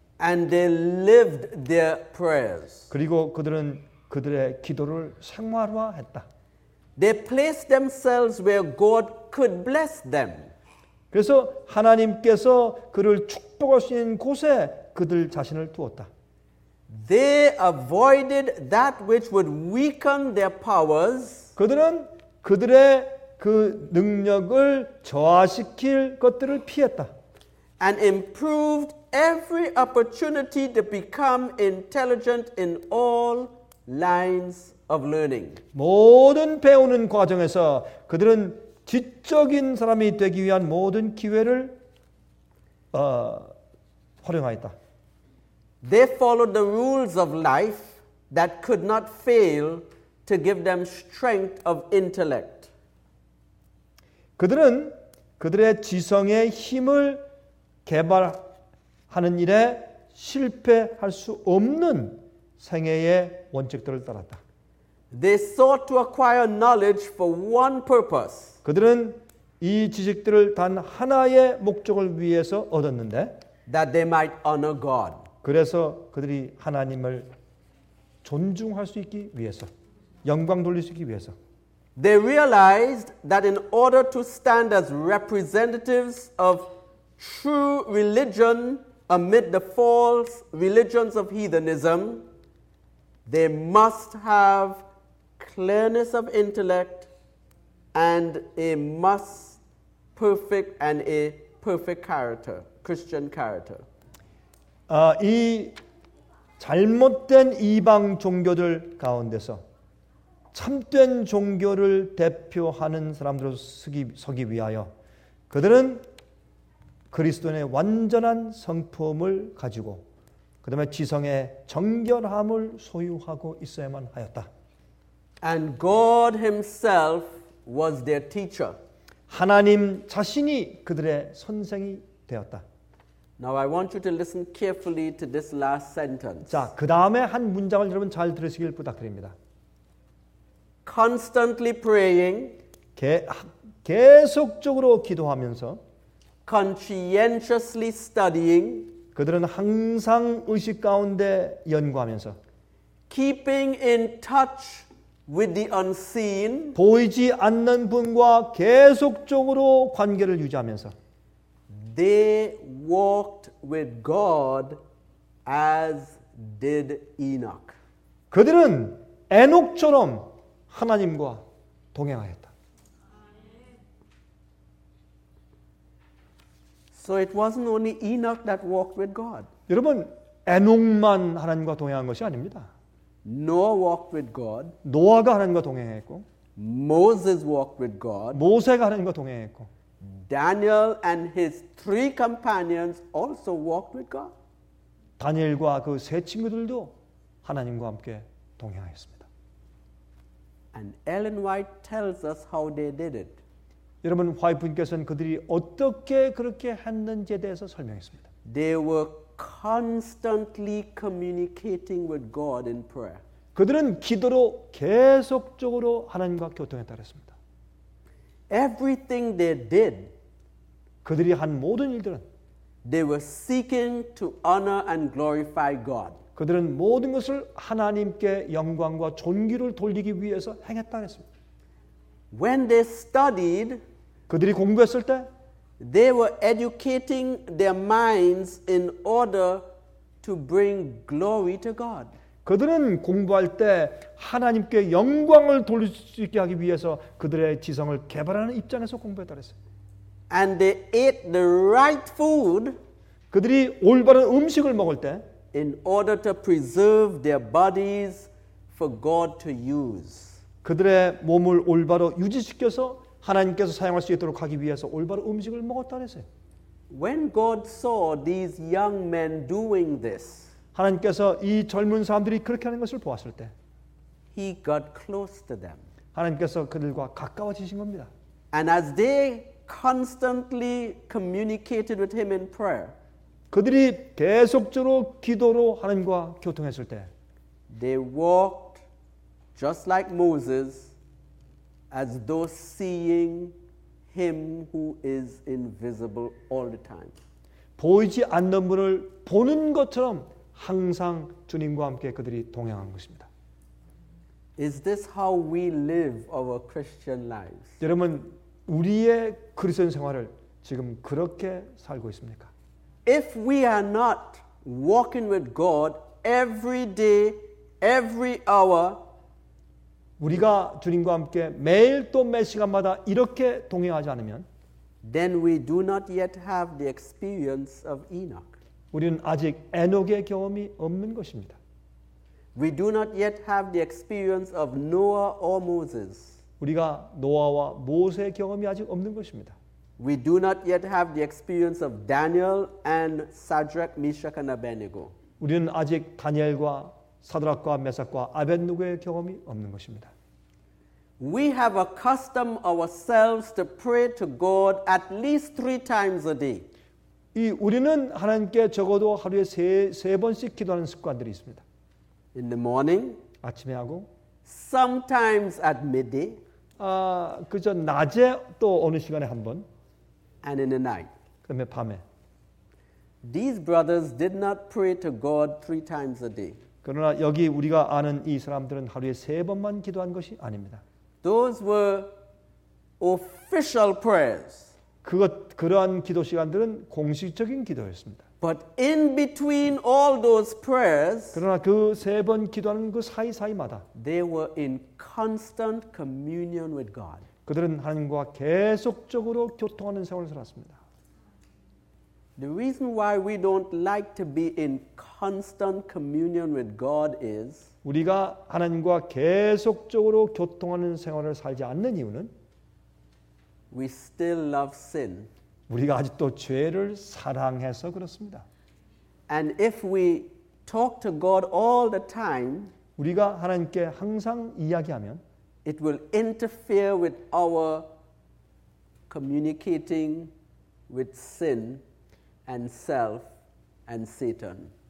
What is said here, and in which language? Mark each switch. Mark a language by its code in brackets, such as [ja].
[en] And they lived their prayers. [ko] 그리고 그들은 그들의 기도를 생활화했다. [en] They placed themselves where God could bless them. [ko] 그래서 하나님께서 그를 축복할 수 있는 곳에 그들 자신을 두었다. [en] They avoided that which would weaken their powers. [ko] 그들은 그들의 그 능력을 저하시킬 것들을 피했다. [en] And improved every opportunity to become intelligent in all lines of learning. [ko] 모든 배우는 과정에서 그들은 지적인 사람이 되기 위한 모든 기회를 활용하였다. [en] They followed the rules of life that could not fail to give them strength of intellect. [ko] 그들은 그들의 지성의 힘을 개발하는 일에 실패할 수 없는 생애의 원칙들을 따랐다. [en] They sought to acquire knowledge for one purpose. [ko] 그들은 이 지식들을 단 하나의 목적을 위해서 얻었는데 [en] that they might honor God. [ko] 그래서 그들이 하나님을 존중할 수 있기 위해서 영광 돌릴 수 있기 위해서 [en] They realized that in order to stand as representatives of true religion amid the false religions of heathenism they must have clearness of intellect and a must perfect and a perfect character, Christian character. [ko] 이 잘못된 이방 종교들 가운데서 참된 종교를 대표하는 사람들로 서기 위하여 그들은 그리스도인의 완전한 성품을 가지고 그 다음에 지성의 정결함을 소유하고 있어야만 하였다. [en] And God himself was their teacher. [ko] 하나님 자신이 그들의 선생이 되었다. [en] Now I want you to listen carefully to this last sentence. [ko] 자, 그다음에 한 문장을 여러분 잘 들으시길 부탁드립니다. [en] Constantly praying [ko] 계속적으로 기도하면서 [en] conscientiously studying [ko] 그들은 항상 의식 가운데 연구하면서 [en] keeping in touch with the unseen [ko] 보이지 않는 분과 계속적으로 관계를 유지하면서 [en] they walked with God as did Enoch [ko] 그들은 에녹처럼 하나님과 동행하였다. [en] So it wasn't only Enoch that walked with God. [ko] 여러분, 에녹만 하나님과 동행한 것이 아닙니다. [en] Noah walked with God. [ko] 노아가 하나님과 동행했고, [en] Moses walked with God. [ko] 모세가 하나님과 동행했고, [en] Daniel and his three companions also walked with God. [ko] 다니엘과 그 세 친구들도 하나님과 함께 동행하였습니다. [en] And Ellen White tells us how they did it. [ko] 여러분 화이프님께서는 그들이 어떻게 그렇게 했는지에 대해서 설명했습니다. [en] They were constantly communicating with God in prayer. [ko] 그들은 기도로 계속적으로 하나님과 교통했다고 했습니다. [en] Everything they did, [ko] 그들이 한 모든 일들은 [en] they were seeking to honor and glorify God. [ko] 그들은 모든 것을 하나님께 영광과 존귀를 돌리기 위해서 행했다 그랬습니다. [en] When they studied, [ko] 그들이 공부했을 때 [en] they were educating their minds in order to bring glory to God. [ko] 그들은 공부할 때 하나님께 영광을 돌릴 수 있게 하기 위해서 그들의 지성을 개발하는 입장에서 공부했다 그랬어요. [en] And they ate the right food. [ko] 그들이 올바른 음식을 먹을 때 [en] in order to preserve their bodies for God to use. [ko] 그들의 몸을 올바로 유지시켜서 하나님께서 사용할 수 있도록 하기 위해서 올바른 음식을 먹었다 그랬어요. [en] When God saw these young men doing this, [ko] 하나님께서 이 젊은 사람들이 그렇게 하는 것을 보았을 때 [en] He got close to them. [ko] 하나님께서 그들과 가까워지신 겁니다. [en] And as they constantly communicated with him in prayer, [ko] 그들이 계속적으로 기도로 하나님과 교통했을 때 [en] They walked just like Moses as though seeing him who is invisible all the time. [ko] 보이지 않는 분을 보는 것처럼 항상 주님과 함께 그들이 동행한 것입니다. [en] Is this how we live our Christian lives? [ko] 여러분, 우리의 그리스도인 생활을 지금 그렇게 살고 있습니까? [en] If we are not walking with God every day, every hour, [ko] 우리가 주님과 함께 매일 또 매 시간마다 이렇게 동행하지 않으면 [en] then we do not yet have the experience of Enoch. [ko] 우리는 아직 에녹의 경험이 없는 것입니다. [en] We do not yet have the experience of Noah or Moses. [ko] 우리가 노아와 모세의 경험이 아직 없는 것입니다. [en] We do not yet have the experience of Daniel and Shadrach, Meshach and Abednego. [ko] 우리는 아직 다니엘과 사드락과 메삭과 아벳누고의 경험이 없는 것입니다. [en] We have accustomed ourselves to pray to God at least 3 times a day. [ko] 이 우리는 하나님께 적어도 하루에 세 번씩 기도하는 습관들이 있습니다. [en] In the morning, [ko] 아침에 하고, [en] sometimes at midday, [ko] 그저 낮에 또 어느 시간에 한 번, [en] and in the night, [ko] 그다음에 밤에. [en] These brothers did not pray to God 3 times a day. [ko] 그러나 여기 우리가 아는 이 사람들은 하루에 세 번만 기도한 것이 아닙니다. [en] Those were official prayers. [ko] 그러한 기도 시간들은 공식적인 기도였습니다. [en] But in between all those prayers, [ko] 그러나 그 세 번 기도하는 그 사이사이마다 [en] they were in constant communion with God. [ko] 그들은 하나님과 계속적으로 교통하는 생활을 살았습니다. [en] The reason why we don't like to be in constant communion with God is [ko] 우리가 하나님과 계속적으로 교통하는 생활을 살지 않는 이유는 [en] We still love sin. [ko] 우리가 아직도 죄를 사랑해서 그렇습니다. [en] And if we talk to God all the time, [ko] 우리가 하나님께 항상 이야기하면, [en] it will interfere with our communicating with sin and self and Satan.